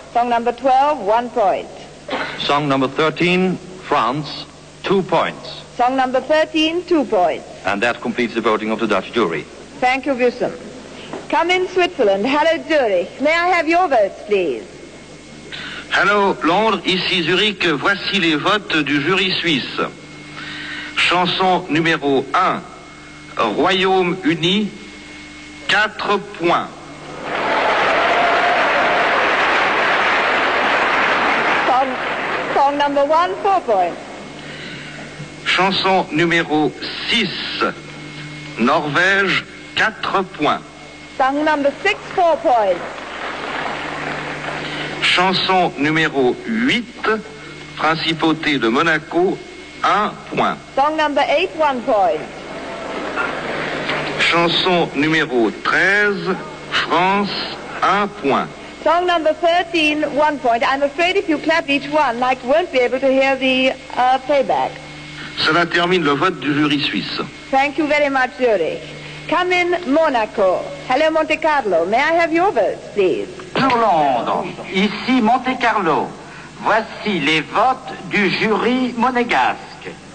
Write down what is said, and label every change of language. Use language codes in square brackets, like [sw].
[en] Song number 12, 1 point. Song number 13, France, 2 points. Song number 13, 2 points. And that completes the voting of the Dutch jury. Thank you, Wissam. Come in Switzerland. Hello, Zurich. May I have your votes, please? Hello, [fr] Londres. Ici Zurich. Voici les votes du jury suisse. Chanson numéro 1, Royaume-Uni, 4 points. [en] Song number 1, 4 points. [fr] Chanson numéro 6, Norvège, 4 points. [en] Song number 6, 4 points. [fr] Chanson numéro 8, Principauté de Monaco, 1 point. [en] Song number 8, 1 point. [fr] Chanson numéro 13, France, 1 point. [en] Song number 13, 1 point. I'm afraid if you clap each one, Mike won't be able to hear the playback. [fr] Cela termine le vote du jury suisse. [en] Thank you very much, Zurich. Come in, Monaco. Hello, Monte Carlo. May I have your votes, please? [fr] Bonjour Londres, ici Monte Carlo. Voici les votes du jury monégasque.